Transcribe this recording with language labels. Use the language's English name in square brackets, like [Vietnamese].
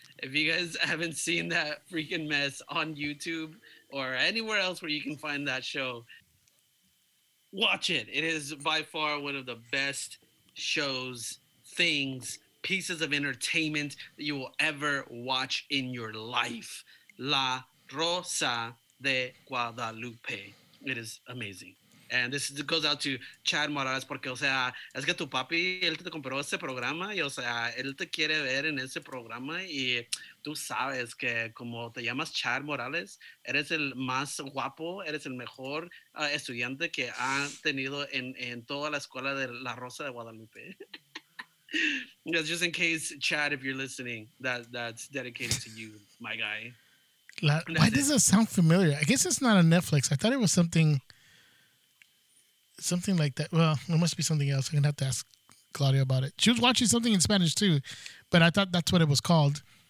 [English] If you guys haven't seen that freaking mess on YouTube or anywhere else where you can find that show, watch it. It is by far one of the best shows, things, pieces of entertainment that you will ever watch in your life. La Rosa de Guadalupe. It is amazing. And this is, it goes out to Chad Morales, [Spanish] porque, o sea, es que tu papi, él te compró ese programa, y, o sea, él te quiere ver en ese programa, y tú sabes que como te llamas Chad Morales, eres el más guapo, eres el mejor estudiante que ha tenido en toda la escuela de La Rosa de Guadalupe. [English] That's just in case, Chad, if you're listening, that's dedicated to you, my guy. Why does it sound familiar? I guess it's not on Netflix. I thought it was something like that. Well, it must be something else. I'm going to have to ask Claudia about it. She was watching something in Spanish, too, but I thought that's what it was called.